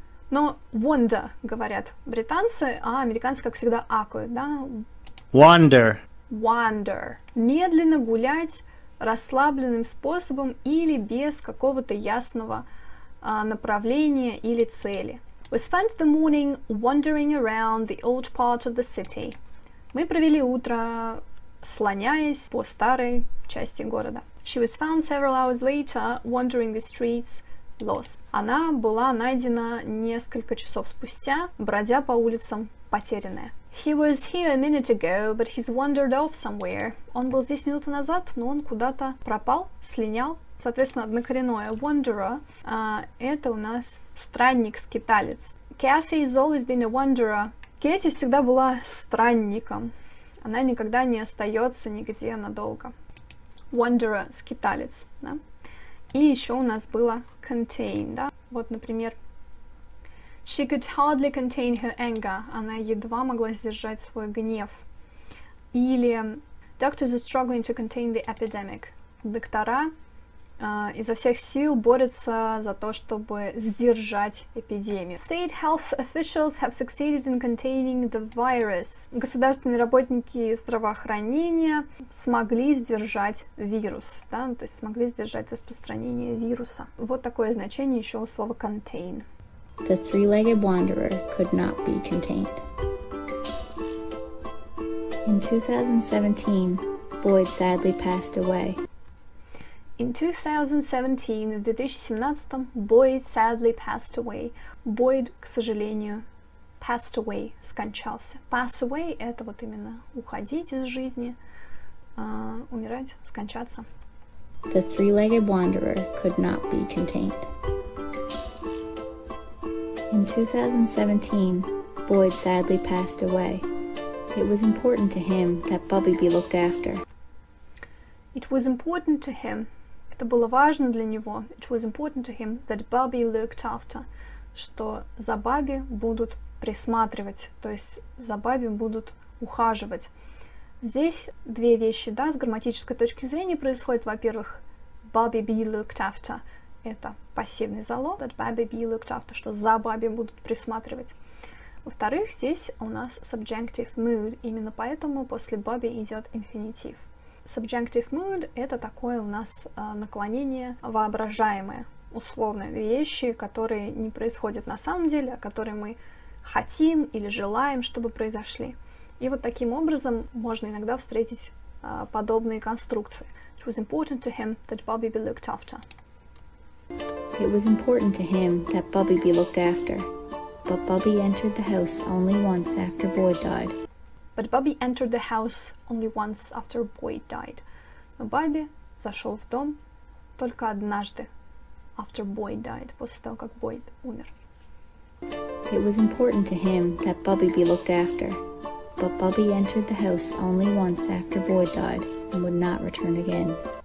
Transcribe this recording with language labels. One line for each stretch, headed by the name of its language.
Russian: Но wonder, говорят британцы, а американцы, как всегда, акают, да?
English: Wonder. Wonder.
Russian: Медленно гулять расслабленным способом или без какого-то ясного направления или цели.
English: We spent the morning wandering around the old part of the city.
Russian: Мы провели утро, слоняясь по старой части города.
English: She was found several hours later wandering the streets lost.
Russian: Она была найдена несколько часов спустя, бродя по улицам, потерянная.
English: He was here a minute ago, but he's wandered off somewhere.
Russian: Он был здесь минуту назад, но он куда-то пропал, слинял. Соответственно, однокоренное wanderer это у нас странник-скиталец.
English: Kathy has always been a wanderer.
Russian: Кэти всегда была странником. Она никогда не остается нигде надолго. Wanderer — скиталец. Да? И еще у нас было contain. Да? Вот, например,
English: She could hardly contain her anger.
Russian: Она едва могла сдержать свой гнев.
English: Или Doctors are struggling to contain the epidemic.
Russian: Доктора изо всех сил борются за то, чтобы сдержать эпидемию.
English: State health officials have succeeded in containing the virus.
Russian: Государственные работники здравоохранения смогли сдержать вирус, да, то есть смогли сдержать распространение вируса. Вот такое значение еще у слова contain.
English: The three-legged wanderer could not be contained. In 2017, Boyd sadly passed away. In 2017,
Russian: в 2017,
English: Boyd sadly passed away.
Russian: Boyd, к сожалению, passed away, скончался. Pass away — это вот именно уходить из жизни, умирать, скончаться.
English: The three-legged wanderer could not be contained. In 2017, Boyd sadly passed away. It was important to him that Bubby be looked after. It was important to him.
Russian: Это было важно для него.
English: It was important to him that Bubby looked after.
Russian: Что за Бабби будут присматривать, то есть за Бабби будут ухаживать. Здесь две вещи, да, с грамматической точки зрения происходят. Во-первых,
English: Bubby be looked after.
Russian: Это пассивный залог,
English: that Bubby be looked after,
Russian: что за Бабби будут присматривать. Во-вторых, здесь у нас subjunctive mood, именно поэтому после Bubby идет инфинитив. Subjunctive mood — это такое у нас наклонение воображаемое, условное, вещи, которые не происходят на самом деле, а которые мы хотим или желаем, чтобы произошли. И вот таким образом можно иногда встретить подобные конструкции.
English: It was important to him that Bubby be looked after. It was important to him that Bubby be looked after. But Bubby entered the house only once after Boyd died. But Bubby entered the house only once after Boyd died.
Russian: Но Бабби зашел в дом только однажды.
English: After Boyd died.
Russian: После того, как Boyd умер.
English: It was important to him that Bubby be looked after. But Bubby entered the house only once after Boyd died and would not return again.